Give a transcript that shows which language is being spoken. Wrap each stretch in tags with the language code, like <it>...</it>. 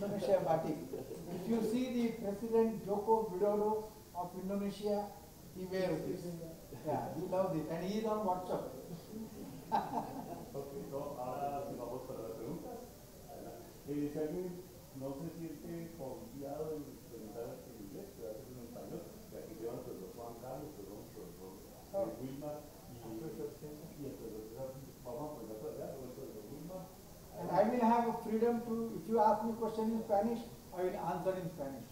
<en>If you see the President Joko Widodo of Indonesia, he wears this. Yeah, he loves it. And he is on WhatsApp. Okay, so</en> <es>ahora si vamos para la pregunta. Si alguien no se siente confiado en preguntar en inglés, puede hacer un español. Y aquí tenemos el profesor Juan Carlos, el profesor Wilma y el profesor César. Y el profesor vamos a poner por allá, el profesor Wilma.</es> <en>And I will have a freedom to, if you ask me a question in Spanish, I will answer in Spanish.</en>